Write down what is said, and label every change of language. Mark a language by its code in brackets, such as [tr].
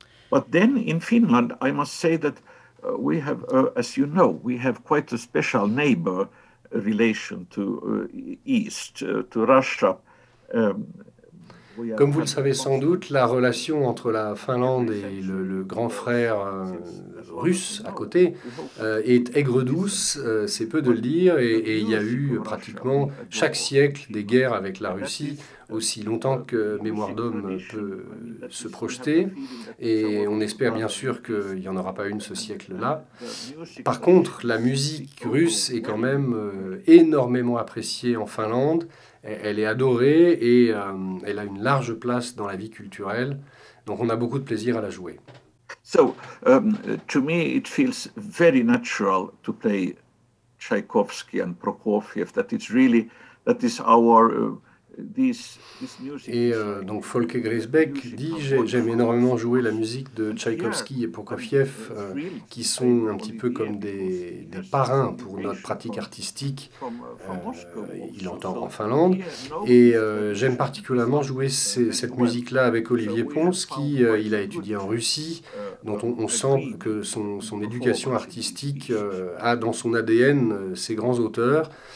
[en] But then in Finland, I must say that we have, as you know, we have quite a special neighbor relation to East, to Russia. [fr] Comme vous le savez sans doute, la relation entre la Finlande et le grand frère russe à côté est aigre-douce, c'est peu de le dire, et il y a eu pratiquement chaque siècle des guerres avec la Russie, aussi longtemps que mémoire d'homme peut se projeter, et on espère bien sûr qu'il n'y en aura pas une ce siècle-là. Par contre, la musique russe est quand même énormément appréciée en Finlande. Elle est adorée et elle a une large place dans la vie culturelle, donc on a beaucoup de plaisir à la jouer. [en] So, to me, it feels very natural to play Tchaïkovski and Prokofiev. That is really, that is our this music. [fr] Et donc Folke Griesbeck dit j'aime énormément jouer la musique de Tchaïkovski et Prokofiev, qui sont un petit peu comme des parrains pour notre pratique artistique. Il entend en Finlande. Et j'aime particulièrement jouer cette musique-là avec Olivier Pons, qui il a étudié en Russie, dont on sent que son éducation artistique a dans son ADN ses grands auteurs.